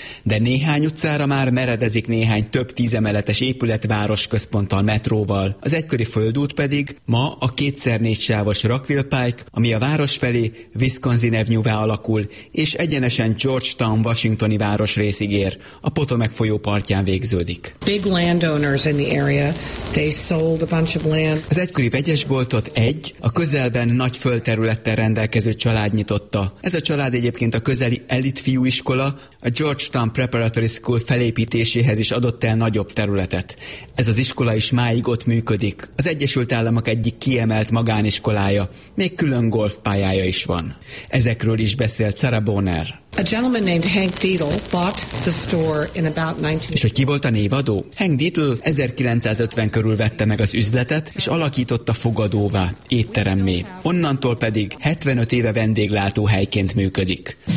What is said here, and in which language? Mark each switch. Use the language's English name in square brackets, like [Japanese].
[Hungarian] De néhány utcára már meredezik néhány több tízemeletes épület városközponttal, metróval. Az egykori földút pedig ma a 2x4 sávos Rockville Pike, ami a város felé Wisconsin Avenue-vá alakul, és egyenesen Georgetown washingtoni városrészig ér, a Potomac folyó partján végződik. [English] Big landowners in the area, they sold a bunch of land. [Hungarian] Az egykori vegyesboltot egy, a közelben nagy földterülettel rendelkező család nyitotta. Ez a család egyébként a közeli elit fiúiskola, a Georgetown Preparatory School felépítéséhez is adott el nagyobb területet. Ez az iskola is máig ott működik. Az Egyesült Államok egyik kiemelt magániskolája. Még külön golfpályája is van. Ezekről is beszélt Sarah Bonner. [English] A gentleman named Hank Deedle bought the store in about 19... [Hungarian] És hogy ki volt a névadó? Hank Deedle 1950 körül vette meg az üzletet, és alakította fogadóvá, étteremmé. Onnantól pedig 75 éve vendéglátóhelyként működik.